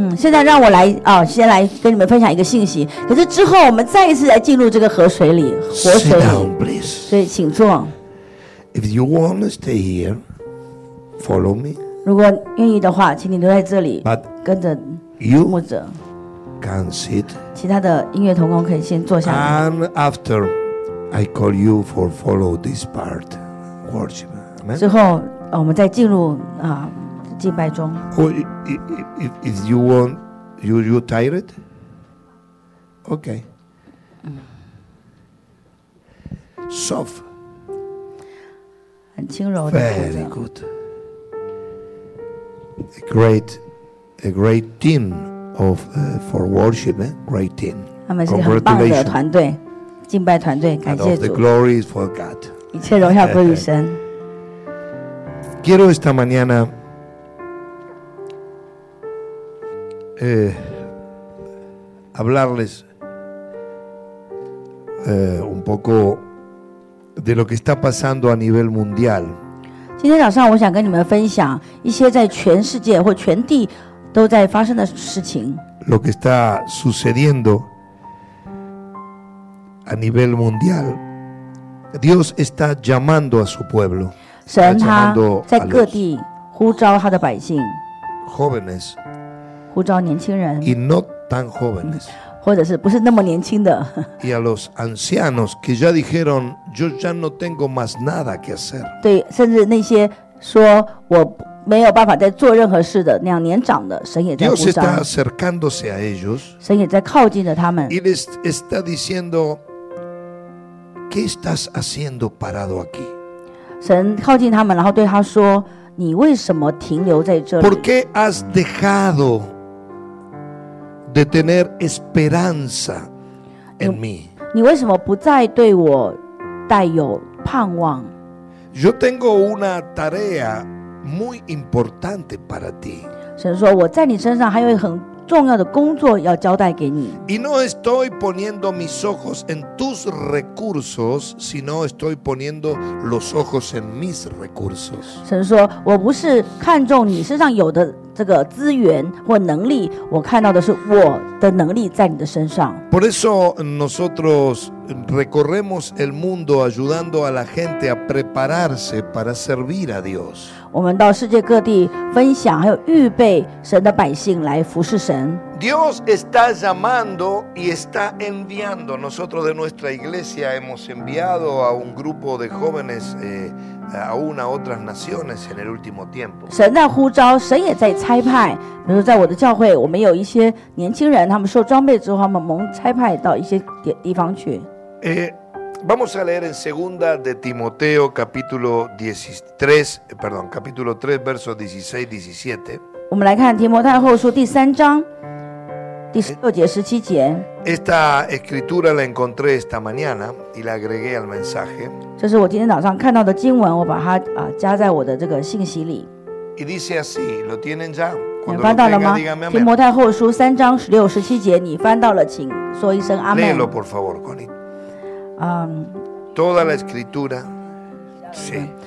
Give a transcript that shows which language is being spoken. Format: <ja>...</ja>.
<zh>现在让我来啊，先来跟你们分享一个信息。可是之后我们再一次来进入这个河水里，活水里。</zh> <en>Sit down, please.</en> <zh>所以请坐。</zh> <en>If you want to stay here, follow me.</en> <zh>如果愿意的话，请你留在这里。</zh> <en>But</en> <zh>跟着牧者。</zh> <en>You can sit.</en> <zh>其他的音乐同工可以先坐下来。</zh> <en>And after, I call you for follow this part, worship.</en> <zh>之后，我们再进入啊敬拜中。</zh> <en>If you want, you tired? Okay. Soft.</en> <zh>很轻柔的。</zh> <en>Very good. A great team of for worship, great team.</en> <zh>他们是一个很棒的团队，敬拜团队，感谢主。</zh> <en>And the glory is for God.</en> <zh>一切荣耀归于神。</zh> <es>Quiero esta mañana hablarles un poco de lo que está pasando a nivel mundial.</es> <zh>今天早上我想跟你们分享一些在全世界或全地都在发生的事情。</zh> <es>Lo que está sucediendo a nivel mundial, Dios está llamando a su pueblo.</es> <zh>神他在各地呼召他的百姓</zh> <es>jóvenes,</es> <zh>呼召年轻人</zh> <es>y no tan jóvenes,</es> <zh>或者是不是那么年轻的</zh> <es>y a los ancianos que ya dijeron yo ya no tengo más nada que hacer</es> <zh>对甚至那些说我没有办法再做任何事的那样年长的神也在呼召</zh> <es>Dios está acercándose a ellos</es> <zh>神也在靠近着他们</zh> <es>y les está diciendo ¿qué estás haciendo parado aquí?</es> <zh>神靠近他们，然后对他说：“你为什么停留在这里</zh> <es>？”Por qué has dejado de tener esperanza en mí？</es> <zh>你为什么不再对我带有盼望</zh> <es>？Yo tengo una tarea muy importante para ti。</es> <zh>神说：“我在你身上还有很重要的工作要交代给你。</zh> <es>”Y no estoy poniendo mis ojos en tus recursos, sino estoy poniendo los ojos en mis recursos.</es> <zh>神说：“我不是看重你身上有的这个资源或能力，我看到的是我的能力在你的身上。</zh> <es>”Por eso nosotros recorremos el mundo ayudando a la gente a prepararse para servir a Dios.</es> <zh>我们到世界各地分享，还有预备神的百姓来服侍神。</zh> <es>Dios está llamando y está enviando. Nosotros de nuestra iglesia hemos enviado a un grupo de jóvenes aún a otras naciones en el último tiempo.</es> <zh>神在呼召，神也在差派。比如在我的教会，我们有一些年轻人，他们受装备之后，他们蒙差派到一些地方去。</zh> <es>Vamos a leer en segunda de Timoteo capítulo 13, perdón, capítulo 3, versos 16, 17.</es> <zh>我们来看提摩太后书第三章第六节十七节。</zh> <es>Esta escritura la encontré esta mañana y la agregué al mensaje.</es> <zh>这是我今天早上看到的经文，我把它加在我的这个信息里。</zh> <es>Y dice así, ¿lo tienen ya?</es> <zh>你翻到了吗？提摩太后书三章十六十七节，你翻到了，请说一声阿门。</zh> <es>Léelo por favor, Connie. Toda la escritura, sí.</es>